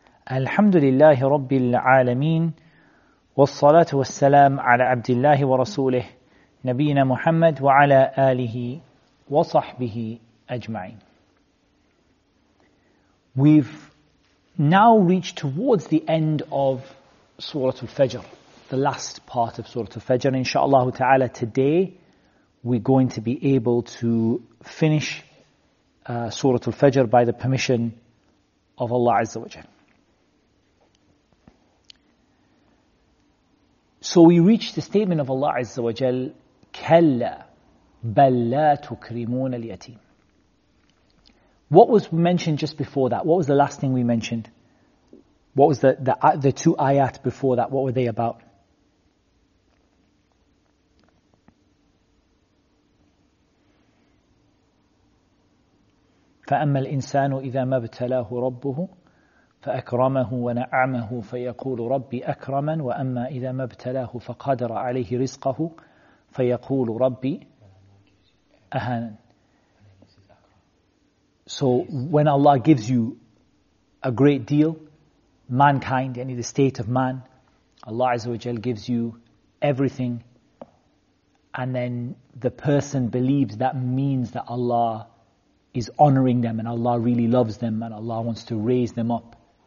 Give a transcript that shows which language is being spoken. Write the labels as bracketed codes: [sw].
[ar] الحمد لله رب العالمين والصلاة والسلام على عبد الله ورسوله نبينا محمد وعلى آله وصحبه أجمعين. [en] We've now reached towards the end of Surah Al-Fajr, the last part of Surah Al-Fajr. Inshallah ta'ala, today we're going to be able to finish Surah Al-Fajr by the permission of Allah Azza wa Jalla. So we reach the statement of Allah Azza wa Jal, [ar] كَلَّا بَلْ لَا تُكْرِمُونَ الْيَتِيمِ. [en] What was mentioned just before that? What was the last thing we mentioned? What was the two ayat before that? What were they about? [ar] فَأَمَّا الْإِنسَانُ إِذَا مَا ابْتَلَاهُ رَبُّهُ فأكرمه ونعمه فيقول ربي أكرمن وأما إذا ما ابتلاه فقدر عليه رزقه فيقول ربي أهانن. [en] So when Allah gives you a great deal, mankind, yani the state of man, Allah Azza wa Jal gives you everything, and then the person believes that means that Allah is honoring them and Allah really loves them and Allah wants to raise them up.